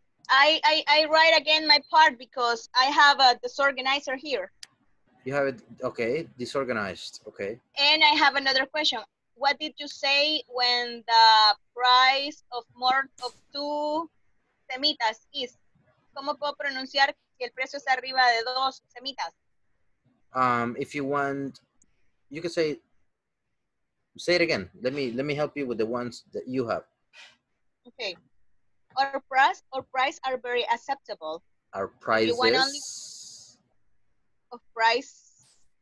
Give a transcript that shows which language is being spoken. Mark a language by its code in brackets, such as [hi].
[en] I write again my part because I have a disorganizer here. You have it, okay, disorganized, okay. And I have another question. what did you say when the price of more of two semitas is? [es] ¿Cómo puedo pronunciar que el precio está arriba de dos semitas? [en] If you want, you can say it again. Let me help you with the ones that you have. Okay. Our price are very acceptable. Our prices. You want only of price.